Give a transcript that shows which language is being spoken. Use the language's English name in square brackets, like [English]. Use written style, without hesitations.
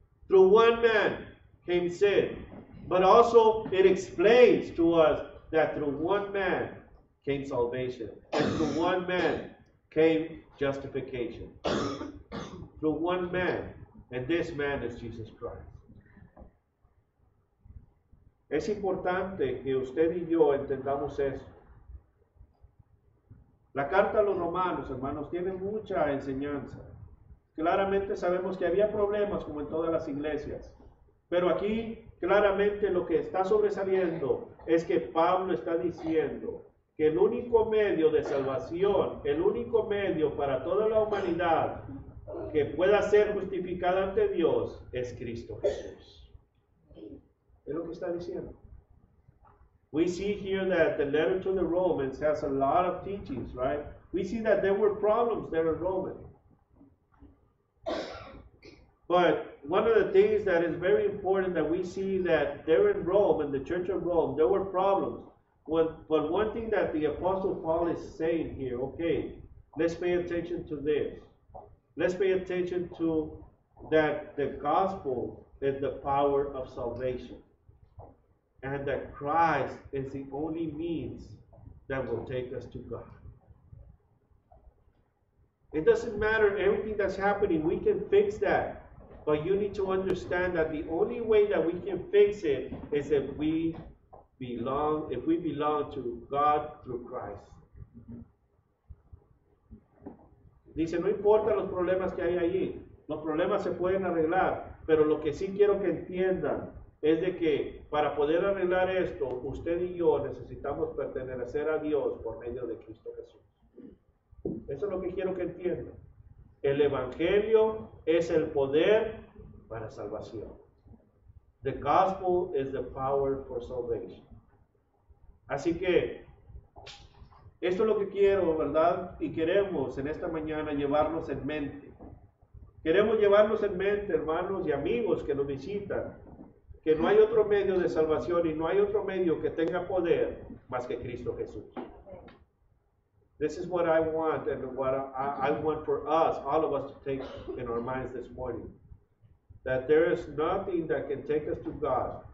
[English] Through one man came sin. But also it explains to us that through one man came salvation. And through one man came justification. Through one man, and this man is Jesus Christ. [Spanish] Es importante que usted y yo entendamos eso. La carta a los romanos, hermanos, tiene mucha enseñanza. Claramente sabemos que había problemas como en todas las iglesias. Pero aquí, claramente, lo que está sobresaliendo es que Pablo está diciendo que el único medio de salvación, el único medio para toda la humanidad que pueda ser justificada ante Dios es Cristo Jesús. Es lo que está diciendo. [English] We see here that the letter to the Romans has a lot of teachings, right? We see that there were problems there in Rome. But one of the things that is very important that we see that there in Rome, in the church of Rome, there were problems. But one thing that the Apostle Paul is saying here, okay, let's pay attention to this. Let's pay attention to that the gospel is the power of salvation. And that Christ is the only means that will take us to God. It doesn't matter everything that's happening. We can fix that. But you need to understand that the only way that we can fix it is if we belong, if we belong to God through Christ. [Spanish] Dice, no importa los problemas que hay allí. Los problemas se pueden arreglar. Pero lo que sí quiero que entiendan es de que para poder arreglar esto, usted y yo necesitamos pertenecer a Dios por medio de Cristo Jesús. Eso es lo que quiero que entiendan. El Evangelio es el poder para salvación. [English] The gospel is the power for salvation. [Spanish] Así que esto es lo que quiero, ¿verdad? Y queremos en esta mañana llevarnos en mente. Queremos llevarnos en mente, hermanos y amigos que nos visitan, que no hay otro medio de salvación y no hay otro medio que tenga poder más que Cristo Jesús. [English] This is what I want and what I want for us, all of us, to take in our minds this morning. That there is nothing that can take us to God.